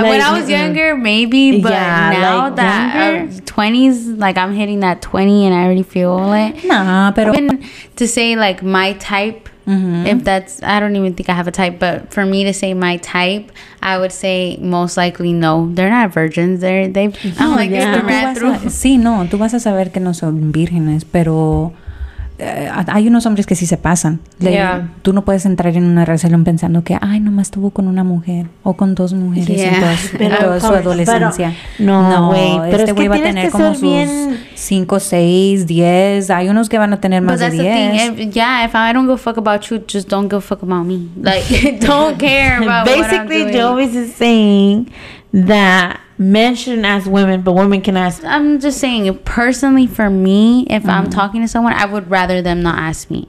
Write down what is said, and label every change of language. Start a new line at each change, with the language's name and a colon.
English: Like, when I was younger, maybe, but yeah, now like that younger? 20s, like I'm hitting that 20 and I already feel it. Nah, but even to say like my type, mm-hmm. if that's, I don't even think I have a type, but for me to say my type, I would say most likely no, they're not virgins. They've I'm like, yeah.
Spanish: Sí, no, tú vas a saber que no son vírgenes, pero. Hay unos hombres que sí se pasan. Tú no puedes entrar en una relación pensando que, ay, nomás estuvo con una mujer o con dos mujeres en toda su adolescencia. No, güey. Pero este güey va a tener como sus 5, 6, 10. Hay unos que van a tener más de 10.
English: If I don't give a fuck about you, just don't give a fuck about me. Like, don't care about basically, what I'm doing. Basically, Jovis is saying that men shouldn't ask women, but women can ask. I'm just saying, personally, for me, if mm-hmm. I'm talking to someone, I would rather them not ask me.